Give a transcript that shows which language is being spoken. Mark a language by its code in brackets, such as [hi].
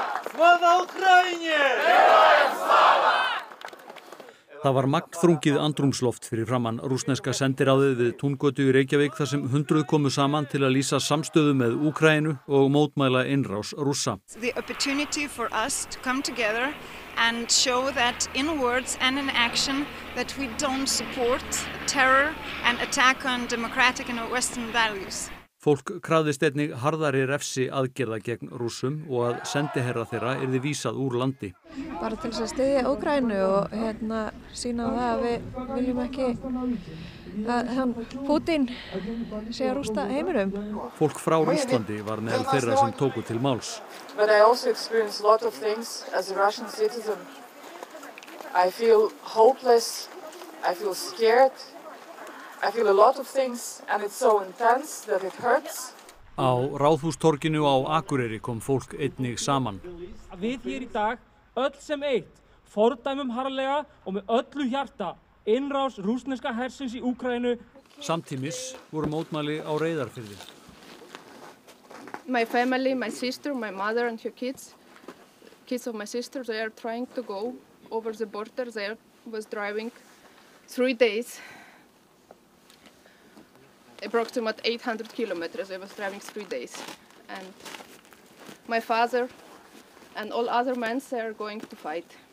[uk] Slava Ukraini! [is] Það var magnþrungið andrúmsloft fyrir framan rússneska sendiráðið við túngötu í Reykjavík þar sem hundruð komu saman til að lýsa samstöðu með Úkraínu og mótmæla innrás rússa. [en] The opportunity for us to come together and show that in words and in action that we don't support terror and attack on democratic and western values. [is] Fólk krafðist einnig harðari refsi aðgerða gegn rússum og að sendiherra þeirra yrði vísað úr landi. Bara til að styðja Úkraínu og hérna sýna það að við viljum ekki að hann Pútín sé að rústa heimurum. Fólk frá Rússlandi var meðal þeirra sem tóku til máls. [en] But I also experience a lot of things as a Russian citizen. I feel hopeless, I feel scared. I feel a lot of things and it's so intense that it hurts. [is] Á Ráðhústorginu á Akureyri kom fólk einnig saman. Við hér í dag, öll sem eitt, fordæmum harlega og með öllu hjarta innrás rússneska hersins í Úkraínu. Samtímis voru mótmæli á Reyðarfirði. [en] My family, my sister, my mother and her kids of my sister, they are trying to go over the border. They was driving 3 days. Approximately 800 kilometers. I was driving 3 days, and my father and all other men are going to fight.